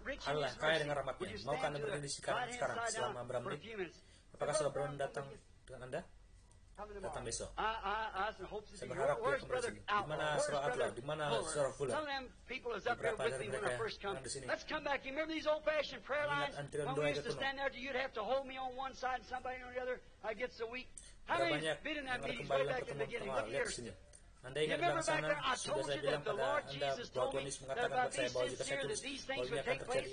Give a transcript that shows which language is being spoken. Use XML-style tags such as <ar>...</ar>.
<id>Allah kaya dengan rahmat-Nya, maukah Anda berdiri sekarang selama beberapa menit? Apakah sudah berani datang dengan Anda? Datang besok. Saya berharap dia kembali sini. Di mana Saudara Adler? Di mana Saudara Fuller? Beberapa dari mereka yang di sini.</id> <en>Let's come back. You remember these old-fashioned prayer lines? When we used to stand there, you'd have to hold me on one side and somebody on the other. I get so weak. How many have been in that meeting? Way back at the beginning. Look here.</en> <id>Anda ingat dalam sana, sudah saya bilang pada Anda bahwa Tuhan Yesus mengatakan kepada saya bahwa jika saya tulis, bahwa ini akan terjadi.</id>